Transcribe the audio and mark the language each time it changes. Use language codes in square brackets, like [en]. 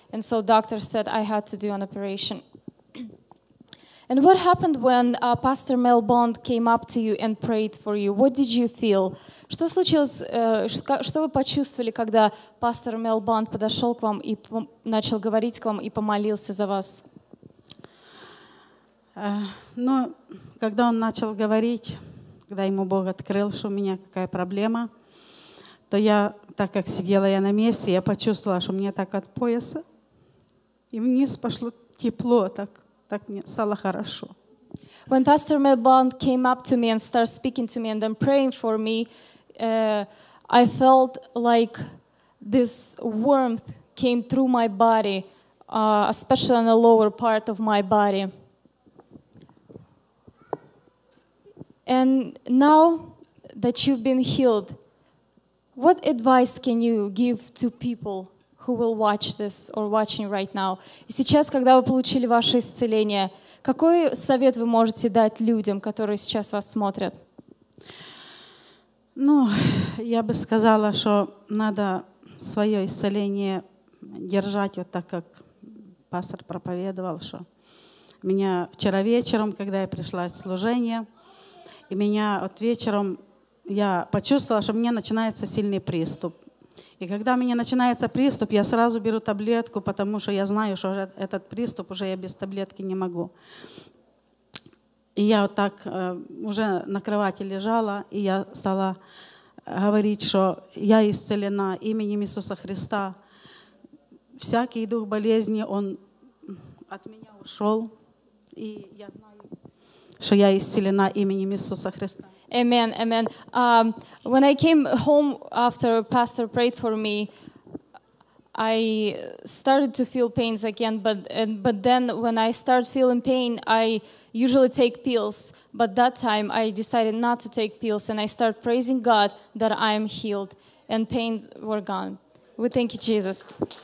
[en] And so doctor said I had to do an operation. And what happened when Pastor Mel Bond came up to you and prayed for you? What did you feel? [ru] Что случилось, что вы почувствовали, когда Пастор Мел Бонд подошел к вам и начал говорить к вам и помолился за вас? Ну, когда он начал говорить, когда ему Бог открыл, что у меня какая проблема, то я, так как сидела я на месте, я почувствовала, что мне так от пояса и вниз пошло тепло, так мне стало хорошо. [en] When Pastor Mel Bond came up to me and started speaking to me and then praying for me, I felt like this warmth came through my body, especially on the lower part of my body. And now that you've been healed, what advice can you give to people who will watch this or watching right now? [ru] И сейчас, когда вы получили ваше исцеление, какой совет вы можете дать людям, которые сейчас вас смотрят? Ну, я бы сказала, что надо свое исцеление держать вот так, как пастор проповедовал, что меня вчера вечером, когда я пришла от служения, и меня вот вечером я почувствовала, что у меня начинается сильный приступ. И когда у меня начинается приступ, я сразу беру таблетку, потому что я знаю, что этот приступ уже я без таблетки не могу. И я вот так уже на кровати лежала, и я стала говорить, что я исцелена именем Иисуса Христа. Всякий дух болезни, он от меня ушел, и я знаю, что я исцелена именем Иисуса Христа. [en] Amen, amen. When I came home after pastor prayed for me, I started to feel pains again, but then when I start feeling pain, I usually take pills, but that time I decided not to take pills and I start praising God that I am healed and pains were gone. We thank you, Jesus.